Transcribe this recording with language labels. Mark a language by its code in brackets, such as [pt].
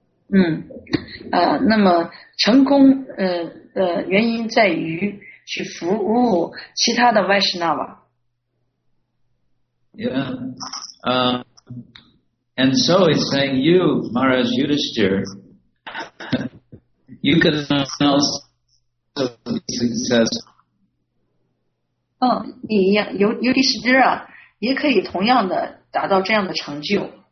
[zh] 那么成功的原因在于去服务其他的 Vaishnava. [en] Yeah. And so he's saying, you, Maharaj Yudhishthir, you could also be successful. [zh] 你尤迪斯丁啊，也可以同样的达到这样的成就。